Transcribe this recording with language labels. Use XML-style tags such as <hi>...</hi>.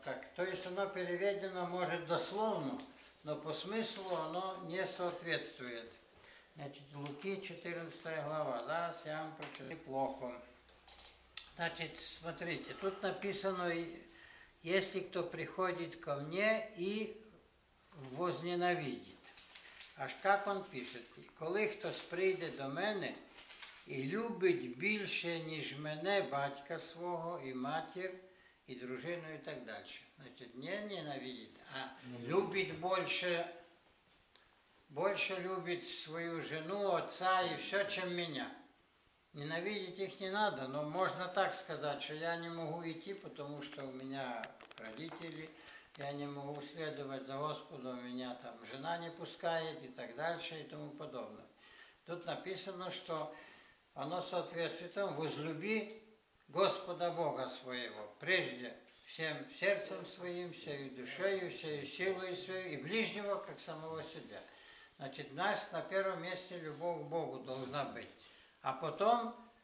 <ru>Как, то есть оно переведено, может, дословно, но по смыслу оно не соответствует. Значит, Луки, 14 глава, да, с вами прочитали плохо. Значит, смотрите, тут написано, если кто приходит ко мне и возненавидит. Аж как он пишет?</ru> <uk>Коли хтось прийде до мене, и любить більше, ніж мене, батька свого, і матір, і дружину, і так далі. Значить, не ненавидить, а любить більше, любить свою жену, отца і все, чим мене. Ненавидить їх не треба, але можна так сказати, що я не можу йти, тому що у мене родителі, я не можу слідувати за Господом, мене там жена не пускає, і так далі, і тому подобне.</uk> <ru>Тут написано, що оно соответствует тому, возлюби Господа Бога своего, прежде всем сердцем своим, всею душою, всею силой своей, и ближнего, как самого себя. Значит, у нас на первом месте любовь к Богу должна быть. А потом</ru>